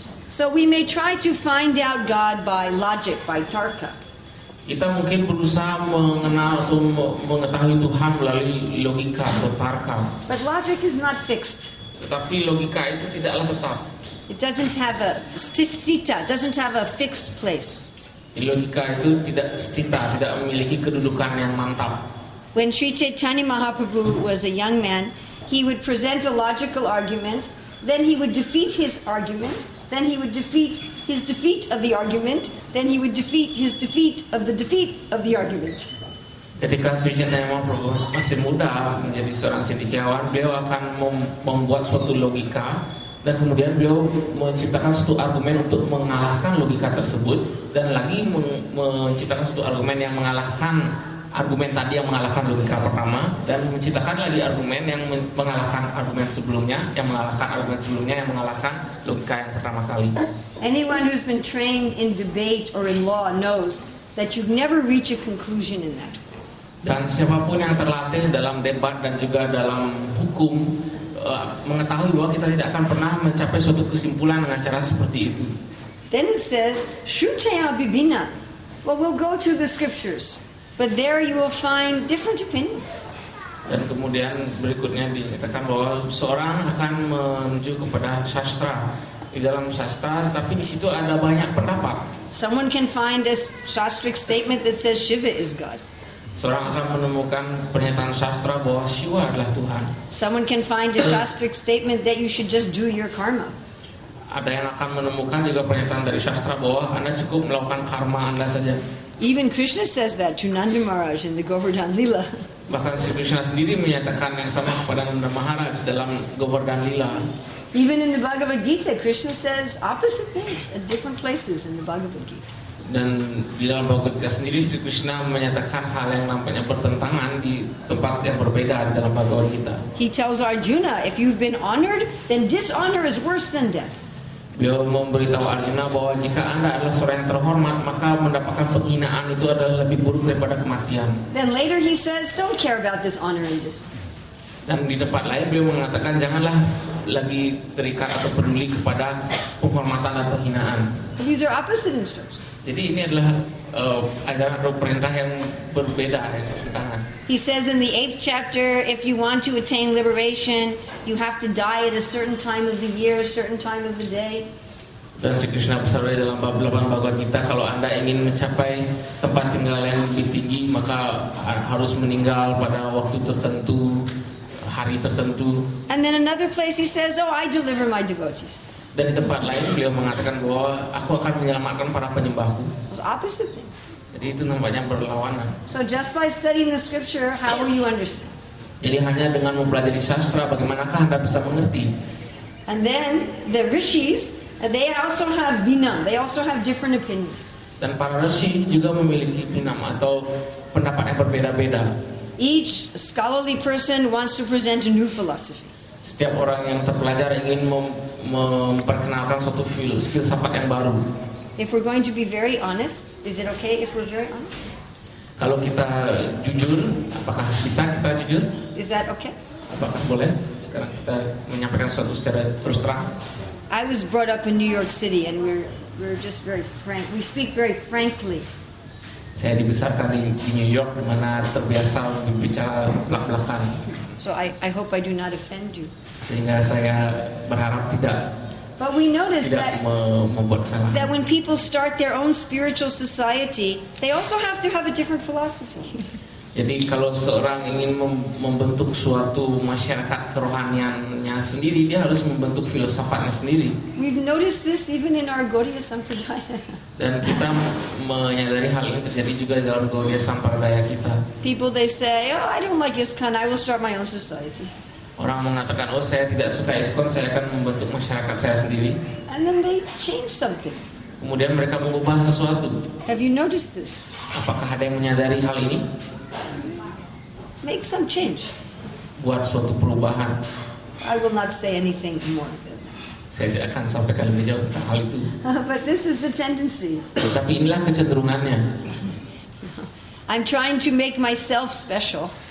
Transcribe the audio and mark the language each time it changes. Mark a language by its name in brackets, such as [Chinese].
[English] So we may try to find out God by logic, by tarka. [Indonesian] Kita mungkin berusaha mengenal atau mengetahui Tuhan melalui logika atau tarka. [English] But logic is not fixed. [Indonesian] Tetapi logika itu tidaklah tetap. [English] It doesn't have a sthita, doesn't have a fixed place. [Indonesian] Logika itu tidak sthita, tidak memiliki kedudukan yang mantap. [English] When Sri Chaitanya Mahaprabhu was a young man, he would present a logical argument, then he would defeat his argument, then he would defeat his defeat of the argument, then he would defeat his defeat of the argument. [Indonesian] Ketika Sri Chaitanya Mahaprabhu masih muda menjadi seorang cendekiawan, beliau akan membuat suatu logika dan kemudian beliau menciptakan suatu argumen untuk mengalahkan logika tersebut dan lagi menciptakan suatu argumen yang mengalahkan argumen tadi yang mengalahkan logika pertama dan menciptakan lagi argumen yang mengalahkan argumen sebelumnya yang mengalahkan argumen sebelumnya yang mengalahkan logika yang pertama kali. [English] Anyone who's been trained in debate or in law knows that you never reach a conclusion in that. [Indonesian] Dan siapapun yang terlatih dalam debat dan juga dalam hukum mengetahui bahwa kita tidak akan pernah mencapai suatu kesimpulan dengan cara seperti itu. [English] Then it says [Sanskrit] shrutaya bibinna. [English] Well, we'll go to the scriptures. But there you will find different opinions. [Indonesian] Dan kemudian berikutnya dinyatakan bahwa seorang akan menuju kepada sastra. Di dalam sastra, tapi di situ ada banyak pendapat. [English] Someone can find a shastric statement that says Shiva is God. [Indonesian] Seorang akan menemukan pernyataan sastra bahwa Shiva adalah Tuhan. [English] Someone can find a shastric statement that you should just do your karma. [Indonesian] Ada yang akan menemukan juga pernyataan dari sastra bahwa Anda cukup melakukan karma Anda saja. [English] Even Krishna says that to Nanda Maharaj in the Govardhan Lila. [Indonesian] Bahkan Sri Krishna sendiri menyatakan yang sama kepada Nanda Maharaj dalam Govardhan Lila. [English] Even in the Bhagavad Gita, Krishna says opposite things at different places in the Bhagavad Gita. [Indonesian] Dan di dalam Bhagavad Gita sendiri Sri Krishna menyatakan hal yang nampaknya bertentangan di tempat yang berbeda di dalam Bhagavad Gita. [English] He tells Arjuna, if you've been honored, then dishonor is worse than death. [Indonesian] Beliau memberitahu Arjuna bahwa jika Anda adalah seorang yang terhormat, maka mendapatkan penghinaan itu adalah lebih buruk daripada kematian. [English] Then later he says, don't care about this honor and this. [Indonesian] Dan di tempat lain beliau mengatakan janganlah lagi terikat atau peduli kepada penghormatan dan penghinaan. [English] These are opposite instructions. [Indonesian] Jadi ini adalah ajaran atau perintah yang berbeda, yang bertentangan. [English] He says in the 8th chapter, if you want to attain liberation, you have to die at a certain time of the year, a certain time of the day. [Indonesian] Dan Sri Krishna bersabda dalam bab 8 Bhagavad Gita, kalau Anda ingin mencapai tempat tinggal yang lebih tinggi, maka harus meninggal pada waktu tertentu, hari tertentu. [English] And then another place he says, oh, I deliver my devotees. [Indonesian] Dan di tempat lain beliau mengatakan bahwa aku akan menyelamatkan para penyembahku. [English] Opposite. [Indonesian] Jadi itu nampaknya berlawanan. [English] So just by studying the scripture, how will you understand? [Indonesian] Jadi hanya dengan mempelajari sastra, bagaimanakah Anda bisa mengerti? [English] And then the rishis, they also have binam. They also have different opinions. [Indonesian] Dan para rishi juga memiliki binam atau pendapat yang berbeda-beda. [English] Each scholarly person wants to present a new philosophy. [Indonesian] Setiap orang yang terpelajar ingin memperkenalkan suatu filsafat yang baru. [English] If we're going to be very honest, is it okay if we're very honest? [Indonesian] Kalau kita jujur, apakah bisa kita jujur? [English] Is that okay? [Indonesian] Apakah boleh? Sekarang kita menyampaikan suatu secara terus terang. [English] I was brought up in New York City and we're just very frank. We speak very frankly. [Indonesian] Saya dibesarkan di New York di mana terbiasa berbicara belak-belakan. [English] So I hope I do not offend you. [Indonesian] Sehingga saya berharap tidak. [English] But we notice that when people start their own spiritual society, they also have to have a different philosophy. [Indonesian] Jadi kalau seorang ingin membentuk suatu masyarakat kerohaniannya sendiri, dia harus membentuk filsafatnya sendiri. [English] We've noticed this even in our Gaudiya Sampradaya. [Indonesian] Dan kita menyadari hal ini terjadi juga dalam Gaudiya Sampradaya kita. [English] People, they say, oh, I don't like ISKCON, I will start my own society. [Indonesian] Orang mengatakan, oh, saya tidak suka ISKCON, saya akan membentuk masyarakat saya sendiri. [English] And then they change something. [Indonesian] Kemudian mereka mengubah sesuatu. [English] Have you noticed this? [Indonesian] Apakah ada yang menyadari hal ini? [English] Make some change. [Indonesian] Buat suatu perubahan. [English] I will not say anything more. [Indonesian] Saya tidak akan sampaikan lebih jauh tentang hal itu. [English] But this is the tendency. [Indonesian] Tetapi inilah kecenderungannya. [English] I'm trying to make myself special.